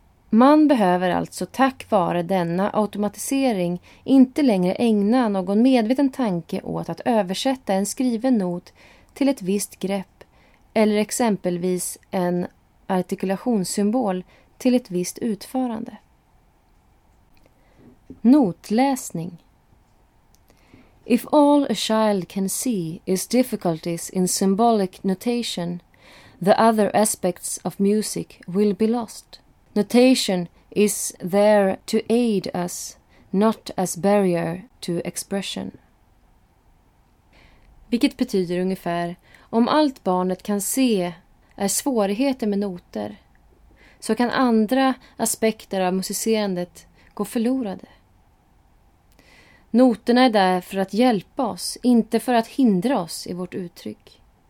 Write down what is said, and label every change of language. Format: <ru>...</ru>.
<sv>Man behöver alltså tack vare denna automatisering inte längre ägna någon medveten tanke åt att översätta en skriven not till ett visst grepp eller exempelvis en artikulationssymbol till ett visst utförande. Notläsning.</sv> <en>If all a child can see is difficulties in symbolic notation, the other aspects of music will be lost. Notation is there to aid us, not as barrier to expression.</en> <sv>Vilket betyder ungefär, om allt barnet kan se är svårigheter med noter, så kan andra aspekter av musicerandet gå förlorade. Noterna är där för att hjälpa oss, inte för att hindra oss i vårt uttryck.</sv>